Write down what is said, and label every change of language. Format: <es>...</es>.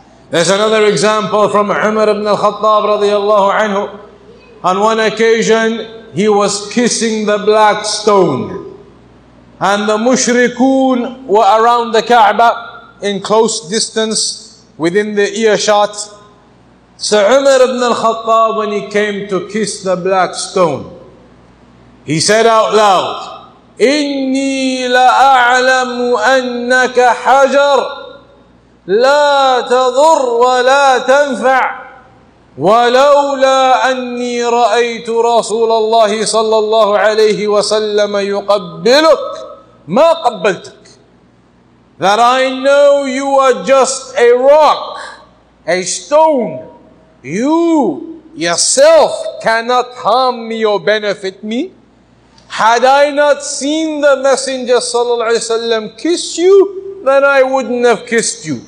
<en>There's another example from Umar ibn al-Khattab radiallahu anhu. On one occasion, he was kissing the black stone. And the mushrikun were around the Kaaba in close distance within the earshot. So Umar ibn al-Khattab, when he came to kiss the black stone, he said out loud,</en> <ar>إِنِّي لَأَعْلَمُ أَنَّكَ حَجَرٌ لا تضر ولا تنفع ولولا أني رأيت رسول الله صلى الله عليه وسلم يقبلك ما قبلتك.</ar> <en>That I know you are just a rock, a stone. You yourself cannot harm me or benefit me. Had I not seen the Messenger صلى الله عليه وسلم kiss you, then I wouldn't have kissed you.</en>